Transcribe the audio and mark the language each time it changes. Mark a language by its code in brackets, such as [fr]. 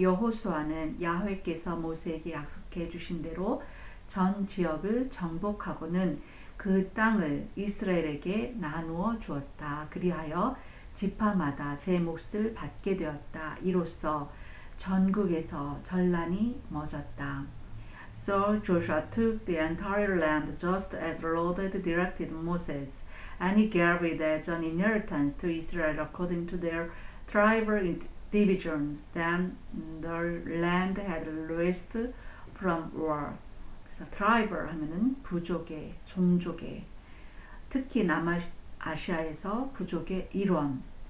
[ko] 여호수아는 야훼께서 모세에게 약속해 주신 대로 전 지역을 정복하고는 그 땅을 이스라엘에게 나누어 주었다. 그리하여 지파마다 제 몫을 받게 되었다. 이로써 전국에서 전란이 멎었다. [en] So Joshua took the entire land just as the Lord had directed Moses, and he gave it as an inheritance to Israel according to their tribal divisions. Then the land had rest from war. [ko] 트라이벌 하면은 부족의, 종족의, 특히 남아시아에서 부족의 일원,